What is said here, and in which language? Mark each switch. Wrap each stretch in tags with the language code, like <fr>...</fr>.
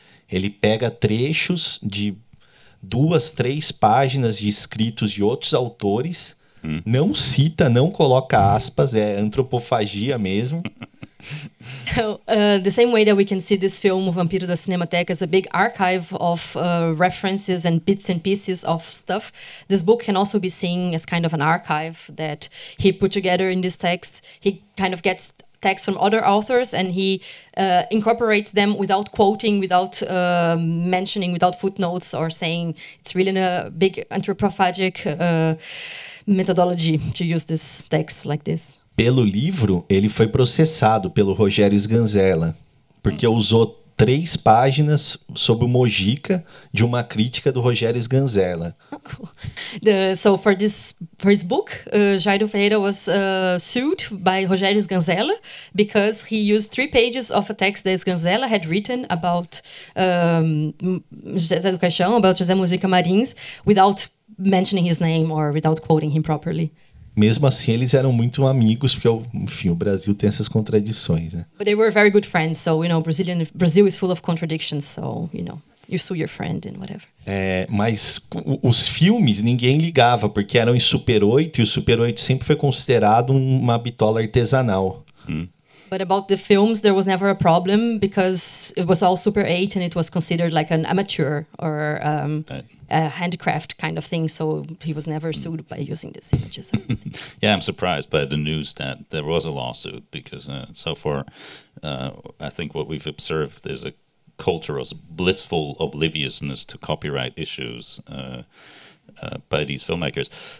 <pt>Ele pega trechos de duas, três páginas de escritos de outros autores, não cita, não coloca aspas, é antropofagia mesmo.</pt> <en>So, the same way that we can see this film Vampiro da Cinemateca as a big archive of references and bits and pieces of stuff, this book can also be seen as kind of an archive that he put together in this text. He kind of gets texts from other authors, and he incorporates them without quoting, without mentioning, without footnotes, or saying it's really a big anthropophagic methodology to use this text like this.</en> <pt>Pelo livro, ele foi processado pelo Rogério Sganzella, porque usou três páginas sobre o Mojica de uma crítica do Rogério Sganzella.</pt> <en>So for this first book, Jairo Ferreira was sued by Rogério Sganzella because he used three pages of a text that Sganzella had written about José do Caixão, about José Mojica Marins, without mentioning his name or without quoting him properly.</en> <pt>Mesmo assim, eles eram muito amigos, porque, enfim, o Brasil tem essas contradições, né?</pt> <en>But they were very good friends, so, you know, Brazil is full of contradictions, so, you know, you sue your friend and whatever.</en> <pt>É, mas os filmes ninguém ligava, porque eram em Super 8, e o Super 8 sempre foi considerado uma bitola artesanal.</pt> <en>But about the films, there was never a problem, because it was all Super 8, and it was considered like an amateur or a handcraft kind of thing, so he was never sued by using these images. Yeah, I'm surprised by the news that there was a lawsuit, because so far, I think what we've observed is a cultural blissful obliviousness to copyright issues by these filmmakers.</en>